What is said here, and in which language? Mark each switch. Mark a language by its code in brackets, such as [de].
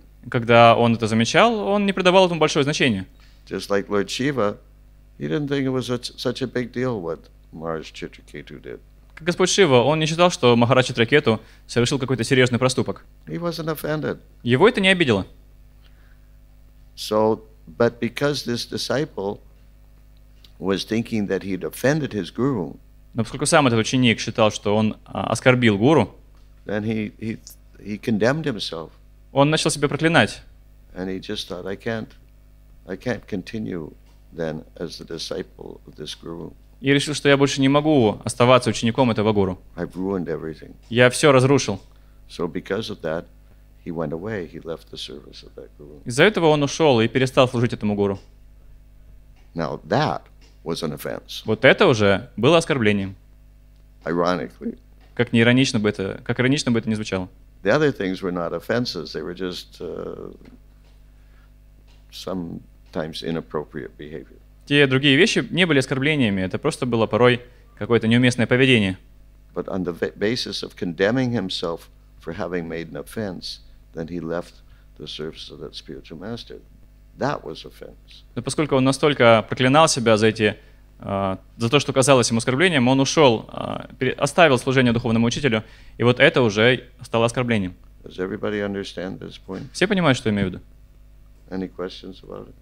[ru] Когда он это замечал, он не придавал этому большое значение. [en] Just like Lord Shiva, he didn't think it was such a big deal what Maharaj Chitraketu did. [ru] Как Господь Шива, он не считал, что Махарадж Читракету совершил какой-то серьезный проступок. [en] He wasn't offended. [ru] Его это не обидело. [en] So, but because this disciple was thinking that he'd offended his guru. [ru] Но поскольку сам этот ученик считал, что он оскорбил гуру, [en] then he condemned himself. [ru] Он начал себя проклинать. [en] And he just thought, I can't continue then as the disciple of this guru. [ru] И решил, что я больше не могу оставаться учеником этого гуру. [en] I've ruined everything. [ru] Я все разрушил. [en] So because of that, he went away. He left the service of that guru. [ru] Из-за этого он ушел и перестал служить этому гуру. [en] Now that was an offense. [ru] Вот это уже было оскорблением. [en] Ironically. [ru] Как иронично бы это ни звучало. [en] The other things were not offenses. They were just sometimes inappropriate behavior. [ru] Те другие вещи не были оскорблениями. Это просто было порой какое-то неуместное поведение. [en] But on the basis of condemning himself for having made an offense, then he left the service of that spiritual master. That was offense. [ru] Но поскольку он настолько проклинал себя за то, что казалось ему оскорблением, он ушел, оставил служение духовному учителю, и вот это уже стало оскорблением. [en] Does everybody understand this point? [ru] Все понимают, что я имею в виду? [en] Any questions about it?